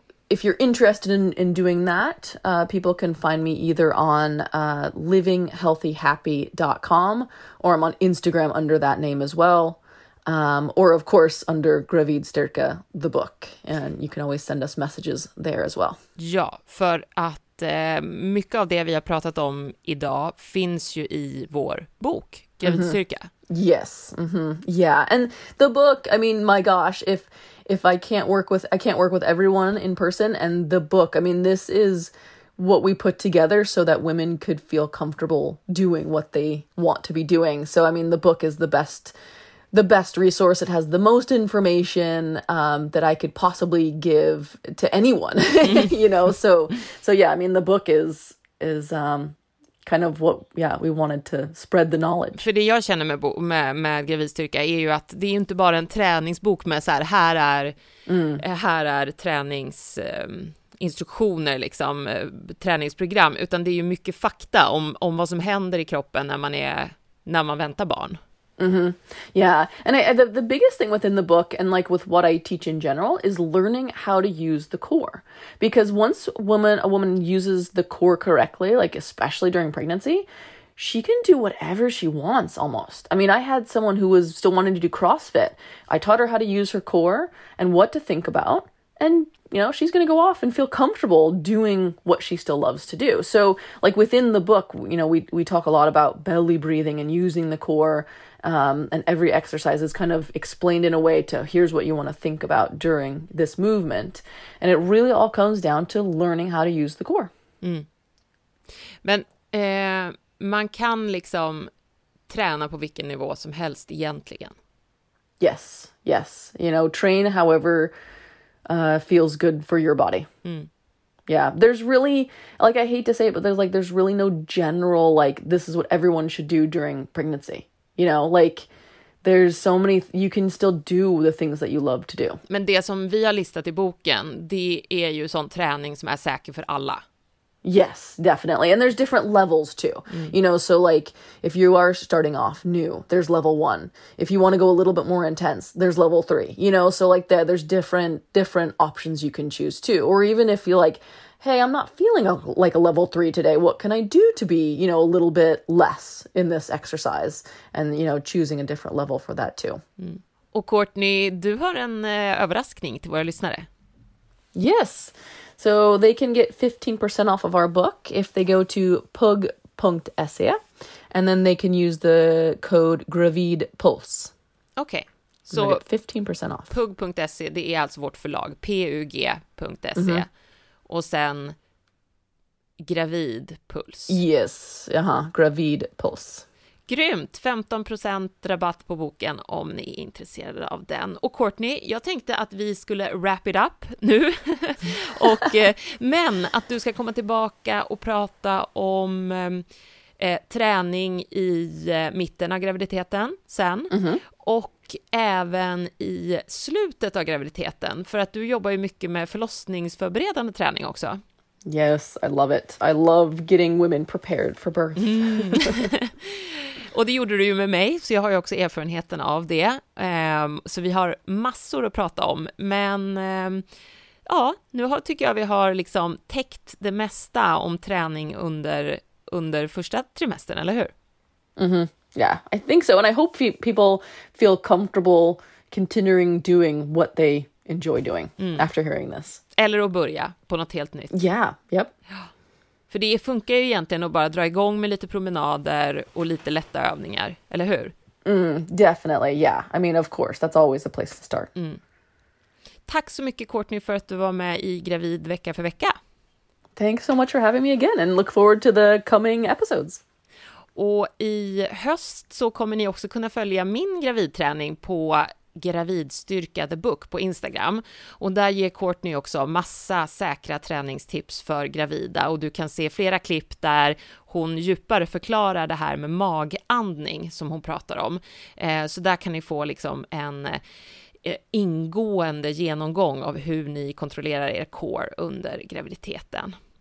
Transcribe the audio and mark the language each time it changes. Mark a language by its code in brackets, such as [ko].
[en] If you're interested in doing that, people can find me either on livinghealthyhappy.com, or I'm on Instagram under that name as well. Or of course under Gravid Styrka, the book. And you can always send us messages there as well. [sv] Ja, för att mycket av det vi har pratat om idag finns ju i vår bok, Gravid Styrka. [en] Yes. Yeah. And the book, I mean, my gosh, if I can't work with everyone in person, and the book, I mean, this is what we put together so that women could feel comfortable doing what they want to be doing. So, I mean, the book is the best resource. It has the most information that I could possibly give to anyone, you know? So yeah, I mean, the book is kind of what, yeah, we wanted to spread the knowledge. [sv] För det jag känner med gravidstyrka är ju att det är ju inte bara en träningsbok med så här, här är tränings... instruktioner, liksom, träningsprogram, utan det är ju mycket fakta om vad som händer i kroppen när man väntar barn. Mm-hmm. [en] Yeah, and the biggest thing within the book and like with what I teach in general is learning how to use the core. Because once a woman uses the core correctly, like especially during pregnancy, she can do whatever she wants almost. I mean, I had someone who was still wanting to do CrossFit. I taught her how to use her core and what to think about. And, you know, she's going to go off and feel comfortable doing what she still loves to do. So, like, within the book, you know, we talk a lot about belly breathing and using the core. And every exercise is kind of explained in a way to here's what you want to think about during this movement. And it really all comes down to learning how to use the core. Mm. [sv] Men man kan liksom träna på vilken nivå som helst egentligen. [en] Yes, yes. You know, train however... feels good for your body. Mm. Yeah, there's really, like, I hate to say it, but there's really no general, like, this is what everyone should do during pregnancy. You know, like, there's so many, you can still do the things that you love to do. [sv] Men det som vi har listat i boken, det är ju sån träning som är säker för alla. [en] Yes, definitely. And there's different levels too. Mm. You know, so like if you are starting off new, there's level one. If you want to go a little bit more intense, there's level three. You know, so like there's different options you can choose too. Or even if you're like, hey, I'm not feeling like a level three today. What can I do to be, you know, a little bit less in this exercise? And, you know, choosing a different level for that too. Mm. [sv] Och Courtney, du har en överraskning till våra lyssnare. [en] Yes. So they can get 15% off of our book if they go to pug.se and then they can use the code gravidpuls. Okay. So 15% off. [sv] Pug.se, det är alltså vårt förlag, pug.se. Mm-hmm. Och sen gravidpuls. Yes, jaha, gravidpuls. Grymt, 15% rabatt på boken om ni är intresserade av den. Och Courtney, jag tänkte att vi skulle [en] wrap it up [sv] nu. Och, men att du ska komma tillbaka och prata om träning i mitten av graviditeten sen. Mm-hmm. Och även i slutet av graviditeten. För att du jobbar ju mycket med förlossningsförberedande träning också. [en] Yes, I love it. I love getting women prepared for birth. Mm. [sv] Och det gjorde du ju med mig, så jag har ju också erfarenheten av det. Så vi har massor att prata om. Men ja, nu tycker jag vi har liksom täckt det mesta om träning under första trimestern, eller hur? Mm-hmm. [en] Yeah, I think so. And I hope people feel comfortable continuing doing what they enjoy doing after hearing this. [sv] Eller att börja på något helt nytt. [en] Yeah, yep. [sv] För det funkar ju egentligen att bara dra igång med lite promenader och lite lätta övningar, eller hur? [en] Mm, definitely, yeah. I mean, of course, that's always a place to start. Mm. [sv] Tack så mycket, Courtney, för att du var med i Gravid vecka för vecka. [en] Thanks so much for having me again and look forward to the coming episodes. [sv] Och i höst så kommer ni också kunna följa min gravidträning på Gravidstyrka The Book på Instagram, och där ger Courtney också massa säkra träningstips för gravida, och du kan se flera klipp där hon djupare förklarar det här med magandning som hon pratar om, så där kan ni få liksom en ingående genomgång av hur ni kontrollerar er core under graviditeten.